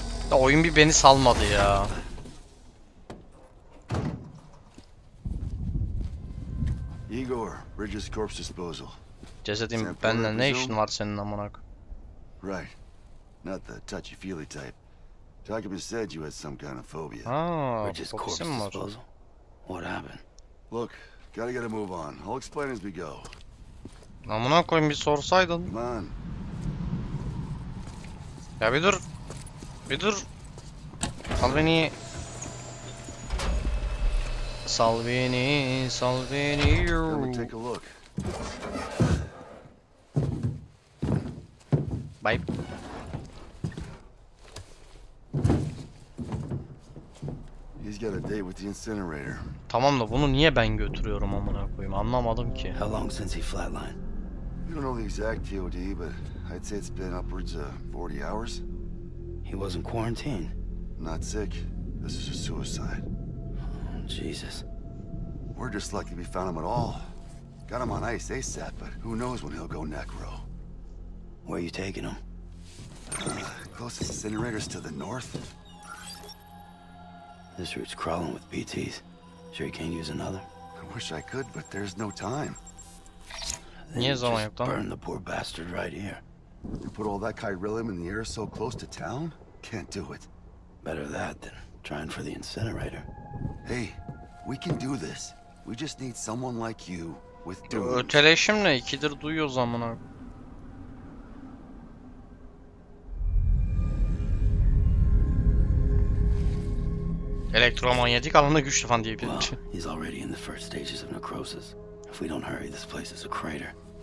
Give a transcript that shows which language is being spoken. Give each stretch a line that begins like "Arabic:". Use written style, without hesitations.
Turkish: Ya oyun bir beni salmadı ya.
English: Igor, Bridges Corpse Disposal.
Turkish: Cesedim benle ne işin var senin amınak?
English: Right. Not the touchy-feely type. Jacob has said you had some kind of phobia. Bridges Corpse Disposal. What happened? Look, gotta get a move on. I'll explain as we go.
Turkish: Amına koyayım bir sorsaydın.
English: Come on.
Turkish: Ya bir dur. Bir dur. Al beni. Sal beni, sal beni.
English: Take a look. Bye. He's got a date with the incinerator.
Turkish: Tamam da bunu niye ben götürüyorum amına koyayım? Anlamadım ki.
English: How long since he flatlined? We don't know the exact TOD, but I'd say it's been upwards of 40 hours. He wasn't quarantined. Not sick. This is a suicide. Oh, Jesus. We're just lucky we found him at all. Got him on ice ASAP, but who knows when he'll go necro. Where are you taking him? Closest incinerator's to the north. This route's crawling with BTs. Sure you can't use another? I wish I could, but there's no time. Then you just burn the poor bastard right here. You put all that Kyrillium in the air so close to town? Can't do it. Better that than trying for the incinerator. Hey, we can do this. We just need someone like you with doom.
Turkish: Öteleşim ne? İkidir duyuyoruz amına. Elektromanyetik alanı güçlü falan diye bir şey.
English: Well, he's already in the first stages of necrosis. If we don't hurry, this place is a crater.